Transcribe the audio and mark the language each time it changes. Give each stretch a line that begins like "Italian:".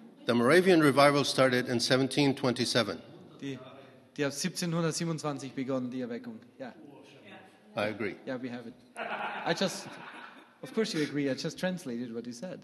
English: The Moravian revival started in 1727.
German: Die hat 1727 begonnen, die Erweckung.
English: Yeah. Yeah. I agree. Yeah, we have it. I just, of course you agree, I just translated what you said.